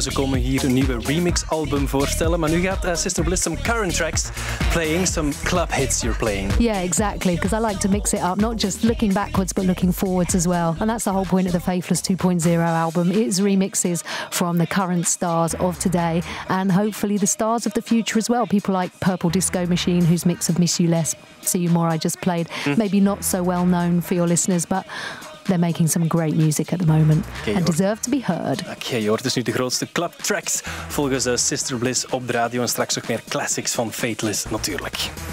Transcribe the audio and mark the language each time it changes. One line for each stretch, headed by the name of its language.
Dutch: Ze komen hier een nieuwe remix-album voorstellen. Maar nu gaat
English: Sister Bliss some current tracks playing, some club hits you're playing. Yeah, exactly, because I like to mix it up, not just looking backwards, but looking forwards as well. And that's the whole point of the Faithless 2.0 album. It's remixes from the current stars of today and hopefully the stars of the future as well. People like Purple Disco Machine, whose mix of Miss You Less, See You More I just played. Maybe not so well known for your listeners, but they're making some great music at the moment and deserve to be heard.
Dutch: Oké, je hoort dus nu de grootste club tracks volgens Sister Bliss op de radio en straks ook meer classics van Faithless natuurlijk.